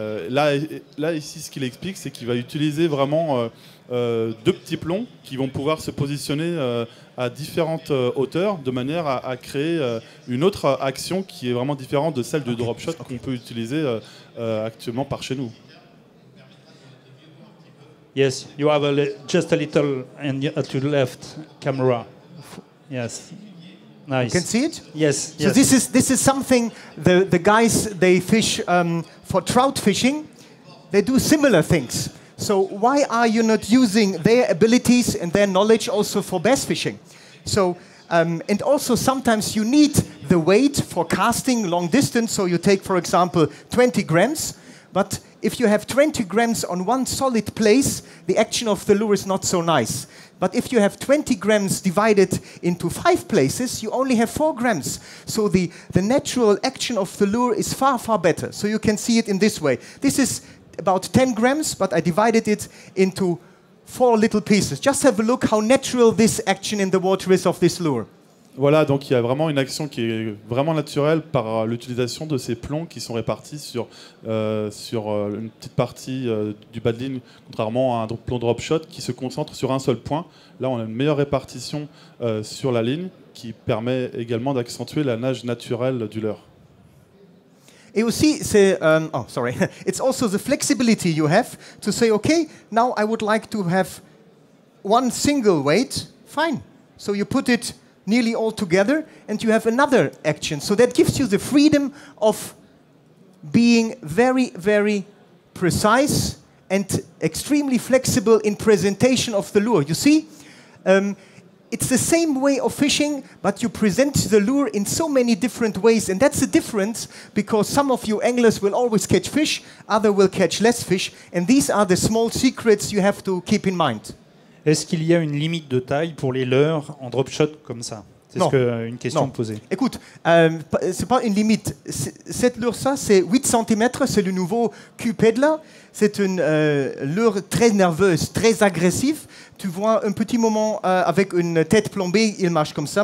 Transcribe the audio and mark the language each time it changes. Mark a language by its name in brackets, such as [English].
[French] Là, ici, ce qu'il explique, c'est qu'il va utiliser vraiment deux petits plombs qui vont pouvoir se positionner à différentes hauteurs de manière à créer une autre action qui est vraiment différente de celle du drop shot qu'on peut utiliser actuellement par chez nous. [English] Yes, you have just a little and to the left camera. Yes. Nice. You can see it? Yes. So yes. this is something the guys, they fish for trout fishing. They do similar things. So why are you not using their abilities and their knowledge also for bass fishing? So and also sometimes you need the weight for casting long distance. So you take, for example, 20 grams. But if you have 20 grams on one solid place, the action of the lure is not so nice. But if you have 20 grams divided into 5 places, you only have 4 grams. So the natural action of the lure is far, far better. So you can see it in this way. This is about 10 grams, but I divided it into 4 little pieces. Just have a look how natural this action in the water is of this lure. [French] Voilà, donc il y a vraiment une action qui est vraiment naturelle par l'utilisation de ces plombs qui sont répartis sur une petite partie du bas de ligne, contrairement à un plomb drop shot qui se concentre sur un seul point. Là, on a une meilleure répartition sur la ligne qui permet également d'accentuer la nage naturelle du leurre. Et aussi, c'est [English] it's also the flexibility you have to say, okay, now I would like to have one single weight, fine. So you put it nearly all together, and you have another action. So that gives you the freedom of being very, very precise and extremely flexible in presentation of the lure. You see, it's the same way of fishing, but you present the lure in so many different ways. And that's the difference, because some of you anglers will always catch fish, others will catch less fish. And these are the small secrets you have to keep in mind. [French] Est-ce qu'il y a une limite de taille pour les leurres en drop shot comme ça? C'est non. Ce que, une question non. Posée. Écoute, c'est pas une limite. Cette leurre, ça, c'est 8 cm, c'est le nouveau Cupedla. C'est une leurre très nerveuse, très agressive. Tu vois un petit moment avec une tête plombée, il marche comme ça.